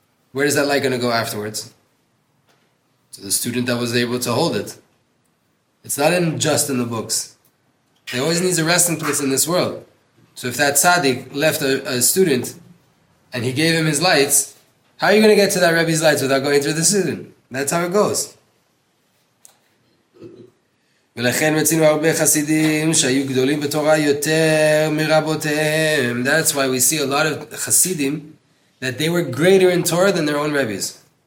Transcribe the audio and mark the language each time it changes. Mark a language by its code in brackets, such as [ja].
[en] Where is that light going to go afterwards? To the student that was able to hold it. It's not in just in the books. There always needs a resting place in this world. So if that tzaddik left a student and he gave him his lights, how are you going to get to that Rebbe's lights without going through the student? That's how it goes. [he] ולכן מצינו הרבה חסידים שהיו גדולים בתורה יותר מרבותיהם. [en] That's why we see a lot of חסידים that they were greater in Torah than their own Rebbe's.